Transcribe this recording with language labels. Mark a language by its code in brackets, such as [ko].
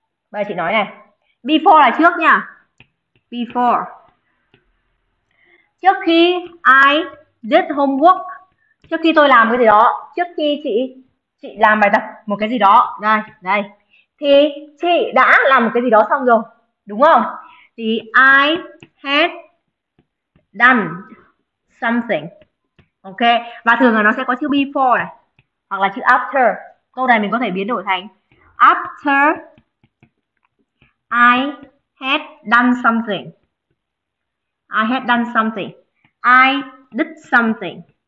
[vi] Bây giờ chị nói này, before là trước nha, before, trước khi [en] I did homework, [vi] trước khi tôi làm cái gì đó, trước khi chị làm bài tập một cái gì đó, đây thì chị đã làm một cái gì đó xong rồi, đúng không? [en] Thì I had done something. [vi] Ok, và thường là nó sẽ có chữ before này, hoặc là chữ after. Câu này mình có thể biến đổi thành [en] after I had done something. I had done something. I did something.